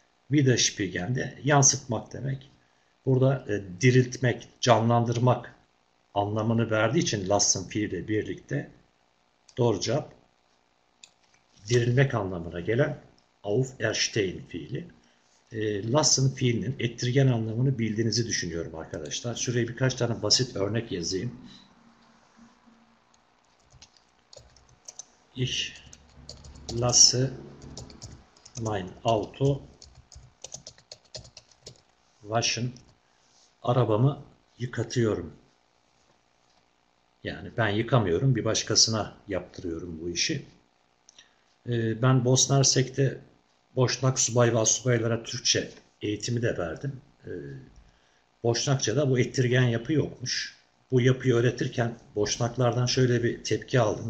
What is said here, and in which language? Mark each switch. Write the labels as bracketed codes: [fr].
[tr] Widerspiegeln de yansıtmak demek. Burada diriltmek, canlandırmak anlamını verdiği için lassen fiili birlikte doğru cevap dirilmek anlamına gelen auferstehen fiili. Lassen fiilinin ettirgen anlamını bildiğinizi düşünüyorum arkadaşlar. Şuraya birkaç tane basit örnek yazayım. [de] Ich lasse mein Auto waschen. [tr] Arabamı yıkatıyorum. Yani ben yıkamıyorum, bir başkasına yaptırıyorum bu işi. Ben Bosna Hersek'te Boşnak subay ve astsubaylara Türkçe eğitimi de verdim. Boşnakça'da bu ettirgen yapı yokmuş. Bu yapıyı öğretirken Boşnaklardan şöyle bir tepki aldım.